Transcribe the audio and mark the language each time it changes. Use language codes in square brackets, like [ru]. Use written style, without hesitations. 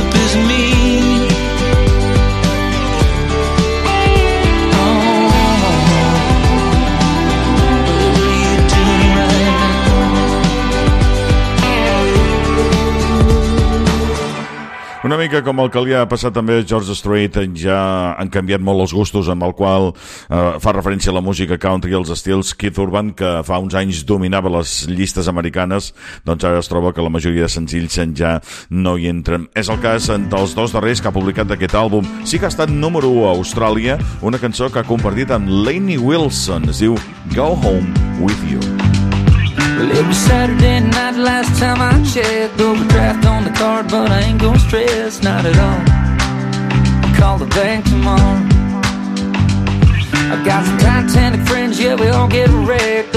[en] Me. Oh, what are you doing right now? [ca] mica com el que li ha passat també a George Strait, ja han canviat molt els gustos amb el qual fa referència a la música country i els estils. Keith Urban, que fa uns anys dominava les llistes americanes, doncs ara es troba que la majoria de senzills ja no hi entren. És el cas dels dos darrers que ha publicat d'aquest àlbum. Sí que ha estat número 1 a Austràlia, una cançó que ha compartit amb Lainey Wilson. Es diu Go Home With You. [en] Well, it was Saturday night last time I checked. Overdraft on the card, but I ain't gonna stress, not at all. Call the bank tomorrow. I got some Titanic friends, yeah, we all get wrecked.